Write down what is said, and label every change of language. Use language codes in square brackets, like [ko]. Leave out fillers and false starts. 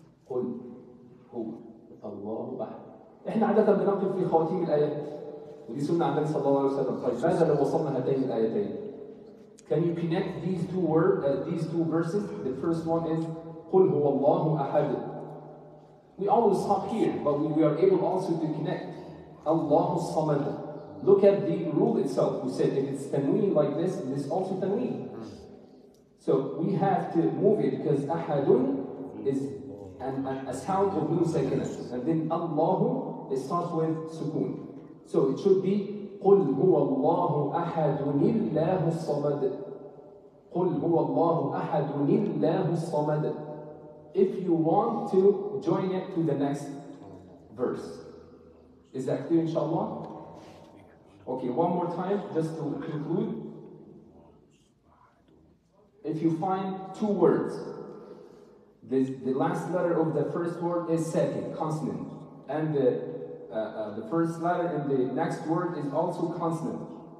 [ar] قل هو الله أحد. إحنا عادة بنقف في خواتيم الآيات، ودي سنة النبي صلى الله عليه وسلم. طيب ماذا لو وصلنا هاتين الآيتين؟ [en] Can you connect these two words, these two verses? The first one is [ar] قل هو الله أحد. [en] We always stop here, but we are able also to connect [ar] الله الصمد. [en] Look at the rule itself. We said if it's تنوين like this, it is also تنوين. So we have to move it because أحد is a sound of نون ساكنة, and then الله it starts with سكون. So it should be [ar] قل هو الله أحد الله الصمد. قل هو الله أحد الله الصمد. [en] If you want to join it to the next verse, is that clear, inshallah? Okay, one more time, just to conclude. If you find two words, the last letter of the first word is second consonant, and the first letter in the next word is also consonant.